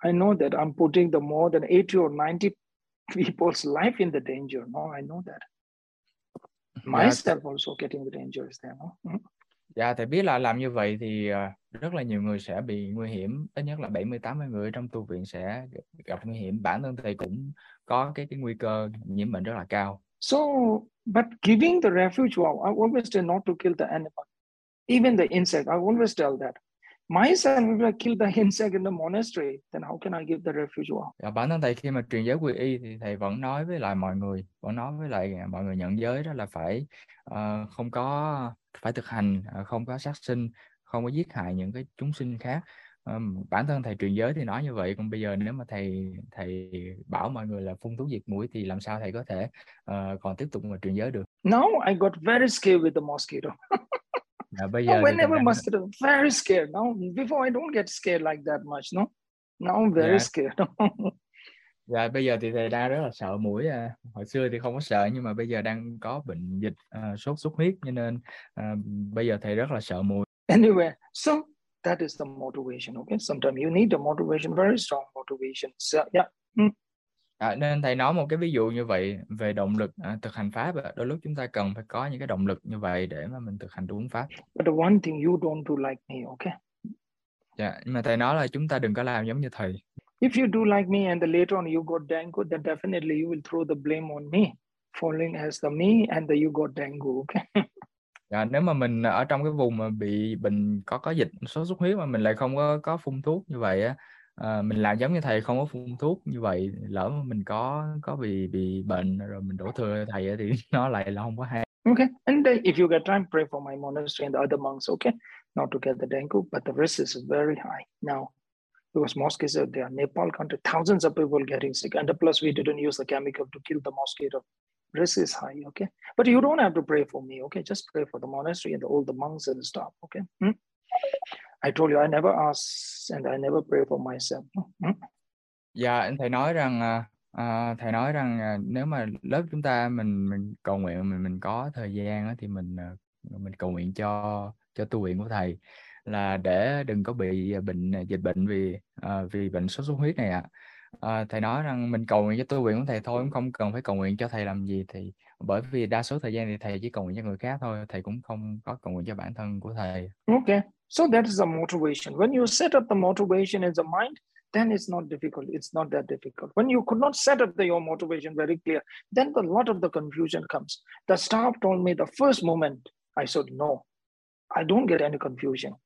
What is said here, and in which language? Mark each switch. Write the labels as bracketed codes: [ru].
[en] I know that I'm putting the more than 80 or 90 people's life in the danger. No, I know that. Myself also getting the danger is there, no? [vi] Dạ, thầy biết là làm như vậy thì rất là nhiều người sẽ bị nguy hiểm. Ít nhất là 70-80 người trong tu viện sẽ gặp nguy hiểm. Bản thân thầy cũng có cái nguy cơ nhiễm bệnh rất là cao. [en] So, but giving the refuge, wow, I always tell not to kill the animal. Even the insect, I always tell that. Myself, if I kill the insect in the monastery, then how can I give the refuge, wow? [vi] Dạ, bản thân thầy khi mà truyền giới quy y thì thầy vẫn nói với lại mọi người, nhận giới đó là phải không có... phải thực hành, không có sát sinh, không có giết hại những cái chúng sinh khác. Bản thân thầy truyền giới thì nói như vậy, còn bây giờ nếu mà thầy bảo mọi người là phun thuốc diệt muỗi thì làm sao thầy có thể còn tiếp tục mà truyền giới được? [en] No, I got very scared with the mosquito. [vi] Yeah, bây giờ [en] whenever mosquito, very scared. No, before I don't get scared like that much. No, now I'm very scared. [vi] Dạ, bây giờ thì thầy đang rất là sợ muỗi. Hồi xưa thì không có sợ, nhưng mà bây giờ đang có bệnh dịch sốt xuất huyết, cho nên bây giờ thầy rất là sợ muỗi. [en] Anyway, so that is the motivation, okay? Sometimes you need a motivation, very strong motivation. So, yeah. [vi] Nên thầy nói một cái ví dụ như vậy về động lực thực hành pháp. Đôi lúc chúng ta cần phải có những cái động lực như vậy để mà mình thực hành đúng pháp. [en] But the one thing you don't do like me, okay? [vi] Dạ, nhưng mà thầy nói là chúng ta đừng có làm giống như thầy. [en] If you do like me and later on you got dengue, then definitely you will throw the blame on me, falling as the me and the you got dengue, okay? [vi] Dạ, nếu mà mình ở trong cái vùng mà bị bệnh có dịch sốt xuất huyết mà mình lại không có phun thuốc như vậy á, Mình làm giống như thầy, không có phun thuốc như vậy, lỡ mình có bị bệnh rồi mình đổ thừa cho thầy thì nó lại là không có hay. [en] Okay, and if you get time, pray for my monastery and the other monks, okay? Not to get the dengue, but the risk is very high now. Because mosquitoes are there, Nepal country, thousands of people getting sick. And plus we didn't use the chemical to kill the mosquito. Risk is high, okay? But you don't have to pray for me, okay? Just pray for the monastery and all the monks and stuff, okay? I told you, I never ask and I never pray for myself. [vi] Dạ, anh thầy nói rằng thầy nói rằng nếu mà lớp chúng ta mình cầu nguyện, mình có thời gian đó, thì mình cầu nguyện cho tu viện của thầy là để đừng có bị bệnh dịch bệnh vì bệnh sốt xuất huyết này ạ. Thầy nói rằng mình cầu nguyện cho tu viện của thầy thôi, cũng không cần phải cầu nguyện cho thầy làm gì, thì bởi vì đa số thời gian thì thầy chỉ cầu nguyện cho người khác thôi, thầy cũng không có cầu nguyện cho bản thân của thầy. [en] Okay, so that is the motivation. When you set up the motivation in the mind, then it's not difficult. It's not that difficult. When you could not set up your motivation very clear, then a lot of the confusion comes. The staff told me the first moment, I said, no, I don't get any confusion.